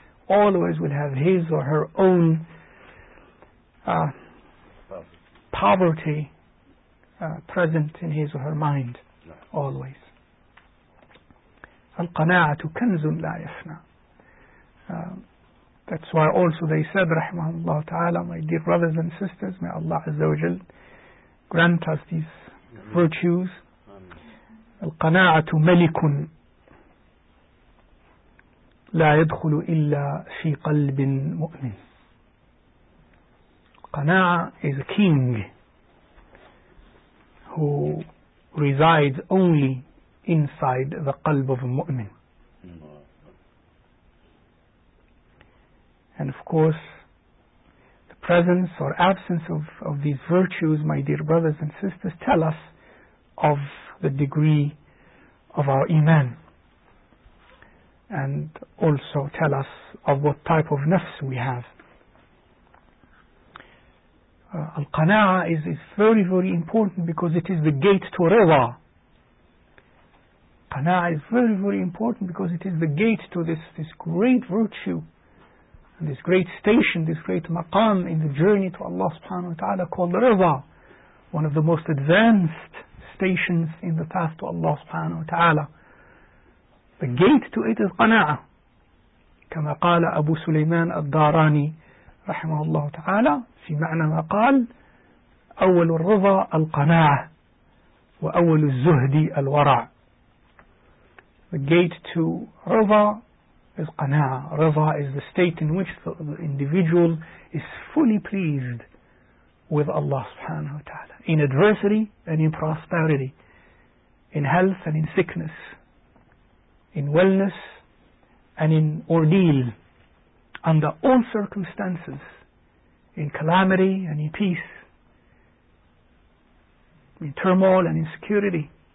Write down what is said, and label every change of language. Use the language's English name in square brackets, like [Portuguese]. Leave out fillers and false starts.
[English] Always will have his or her own poverty present in his or her mind, always. [Arabic] القَنَاعَةُ كَنْزٌ لَا يَفْنَى. [English] That's why also they said, Rahimahullah Ta'ala, my dear brothers and sisters, may Allah Azza wa Jal grant us these virtues. [Arabic] القناعة ملك لا يدخل إلا في قلب مؤمن. [English] قناعة is a king who resides only inside the قلب of a مؤمن. And of course, the presence or absence of these virtues, my dear brothers and sisters, tell us of the degree of our iman, and also tell us of what type of nafs we have. Al-qana'a is very, very important because it is the gate to rida. Qana'a is very, very important because it is the gate to this great virtue, and this great station, this great maqam in the journey to Allah subhanahu wa ta'ala called rida, one of the most advanced stations in the path to Allah subhanahu wa ta'ala. The gate to it is qana'ah. [Arabic] كما قال أبو سليمان الداراني رحمه الله تعالى في معنى ما قال أول الرضا القناعة وأول الزهد الورع. [English] The gate to rida is qana'ah. Rida is the state in which the individual is fully pleased with Allah subhanahu wa ta'ala, in adversity and in prosperity, in health and in sickness, in wellness and in ordeal, under all circumstances, in calamity and in peace, in turmoil and insecurity.